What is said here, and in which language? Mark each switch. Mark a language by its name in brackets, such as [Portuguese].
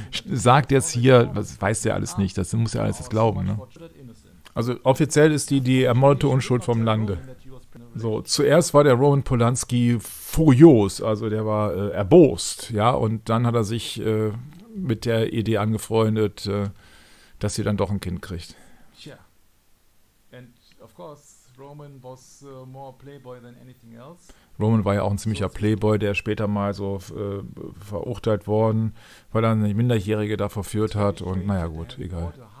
[German] Sagt jetzt hier, was weiß der alles nicht, das muss er alles jetzt glauben. Ne? Also offiziell ist die ermordete Unschuld vom Lande. So, zuerst war der Roman Polanski furios, also der war erbost, ja, und dann hat er sich mit der Idee angefreundet, dass sie dann doch ein Kind kriegt. [English] Tja, and of course Roman was more Playboy than anything else. [German] Roman war ja auch ein ziemlicher Playboy, der später mal so verurteilt worden, weil er eine Minderjährige da verführt hat und naja gut, egal.